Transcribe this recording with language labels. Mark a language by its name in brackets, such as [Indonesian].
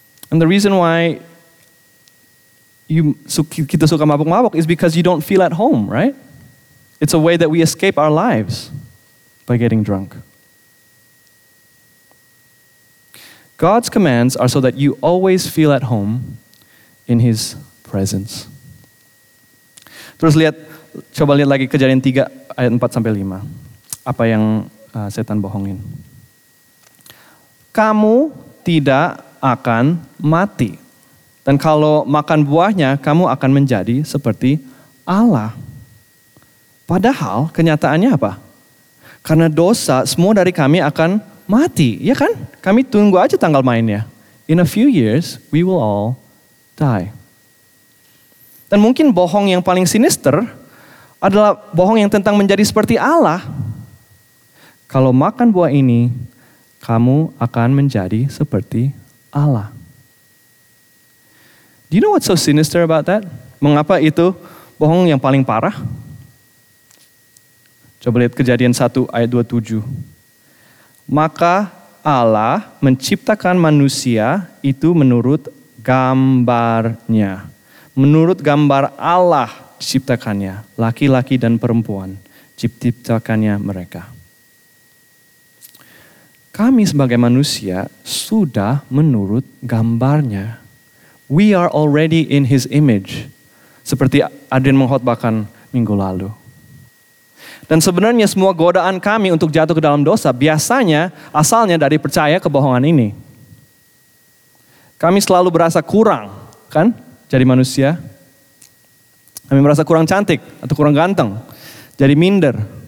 [English] And the reason why [Indonesian] kita suka mabuk-mabuk [English] is because you don't feel at home, right? It's a way that we escape our lives by getting drunk. God's commands are so that you always feel at home in His presence. [Indonesian] Terus lihat, coba lihat lagi Kejadian 3 ayat 4-5. Apa yang setan bohongin? Kamu tidak akan mati. Dan kalau makan buahnya, kamu akan menjadi seperti Allah. Padahal kenyataannya apa? Karena dosa, semua dari kami akan mati, ya kan? Kami tunggu aja tanggal mainnya. [English] In a few years, we will all die. [Indonesian] Dan mungkin bohong yang paling sinister adalah bohong yang tentang menjadi seperti Allah. Kalau makan buah ini, kamu akan menjadi seperti Allah. [English] Do you know what's so sinister about that? [Indonesian] Mengapa itu bohong yang paling parah? Coba lihat Kejadian 1 ayat 27. Maka Allah menciptakan manusia itu menurut gambarnya. Menurut gambar Allah ciptakannya. Laki-laki dan perempuan ciptakannya mereka. Kami sebagai manusia sudah menurut gambarnya. [English] We are already in His image. [Indonesian] Seperti Adrian mengkhotbahkan minggu lalu. Dan sebenarnya semua godaan kami untuk jatuh ke dalam dosa biasanya asalnya dari percaya kebohongan ini. Kami selalu berasa kurang, kan? Jadi manusia. Kami merasa kurang cantik atau kurang ganteng. Jadi minder.